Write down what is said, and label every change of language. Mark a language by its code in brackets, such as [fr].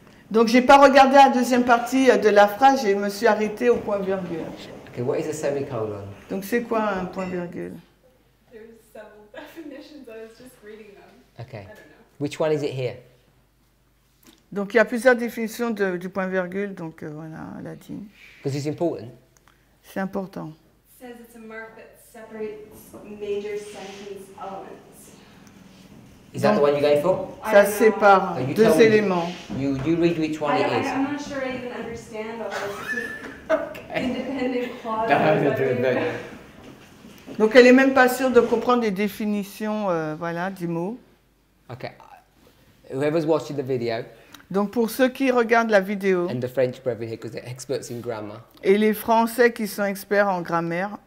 [fr] Donc j'ai pas regardé la deuxième partie de la phrase et je me suis arrêté au point virgule. [en] Okay, what is a semicolon? [fr] Donc c'est quoi un point virgule? [en] Okay. Which one is it here? [fr] Donc il y a plusieurs définitions du point virgule, donc voilà, latine. [en] Because it's important. [fr] C'est important. [en] Says it's a mark that separates major sentence elements. Is that the one you're going for? [fr] Ça sépare deux éléments. [en] You read which one it is. I'm not sure I even understand all this. Independent clause. [fr] Donc elle est même pas sûre de comprendre les définitions, voilà, du mot. [en] Okay. Whoever's watching the video. [fr] Donc pour ceux qui regardent la vidéo. [en] And the French brethren here, because they're experts in grammar. [fr] Et les Français qui sont experts en grammaire.